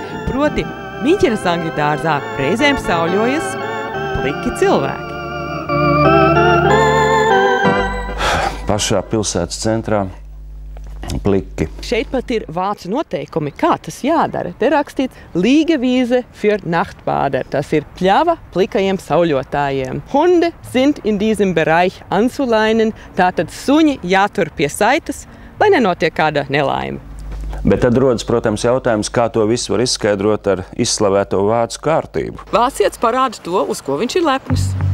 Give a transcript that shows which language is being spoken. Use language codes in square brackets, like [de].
[lv] Proti, Miņķenes Angļu dārzā reizēm sauļojas pliki cilvēki. Pašā pilsētas centrā. Pliki. Šeit pat ir vācu noteikumi, kā tas jādara. Te rakstīts [de] Liegewiese für Nachtbader. [lv] Tas ir pļava plikajiem sauļotājiem. [de] Hunde sind in diesem Bereich anzuleinen. [lv] Tātad suņi jātur pie saitas, lai nenotiek kāda nelaime. Bet tad rodas, protams, jautājums, kā to viss var izskaidrot ar izslavēto vācu kārtību. Vāciets parāda to, uz ko viņš ir lepnis.